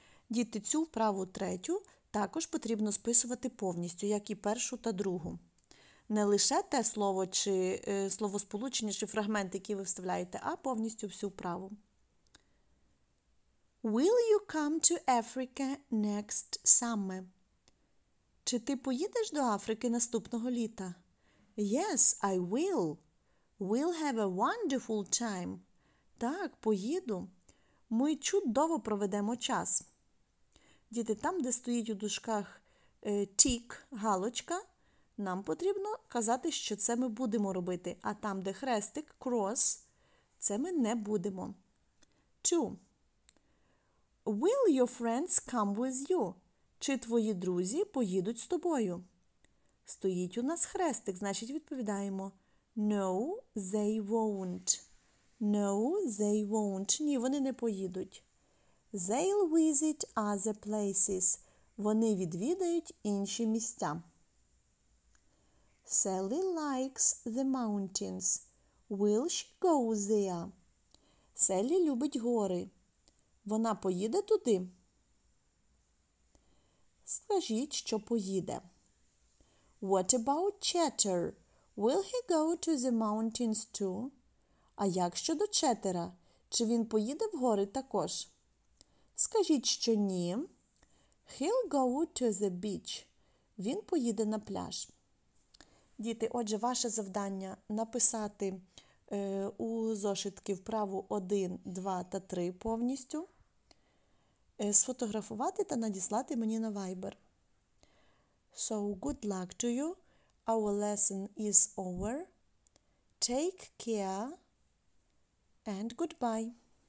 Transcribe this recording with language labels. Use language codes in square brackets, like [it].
[uk] Діти, цю вправу третю також потрібно списувати повністю, як і першу та другу. Не лише те слово чи словосполучення, чи фрагмент, який ви вставляєте, а повністю всю вправу. [en] Will you come to Africa next summer? [uk] Чи ти поїдеш до Африки наступного літа? [en] Yes, I will. We'll have a wonderful time. [uk] Так, поїду. Ми чудово проведемо час. Діти, там, де стоїть у дужках тік, галочка, нам потрібно казати, що це ми будемо робити. А там, де хрестик, cross, це ми не будемо. 2. [en] Will your friends come with you? [uk] Чи твої друзі поїдуть з тобою? Стоїть у нас хрестик, значить відповідаємо [en] No, they won't. No, they won't. [uk] Ні, вони не поїдуть. [en] They'll visit other places. [uk] Вони відвідають інші місця. [en] Sally likes the mountains. Will she go there? [uk] Sally любить гори. Вона поїде туди? Скажіть, що поїде. [en] What about Chatter? Will he go to the mountains too? [uk] А як щодо Четера? Чи він поїде в гори також? Скажіть, що ні. [en] He'll go to the beach. [uk] Він поїде на пляж. Діти, отже, ваше завдання – написати у зошитки вправу 1, 2 та 3 повністю, сфотографувати та надіслати мені на Viber. [en] So, good luck to you. Our lesson is over. Take care and goodbye.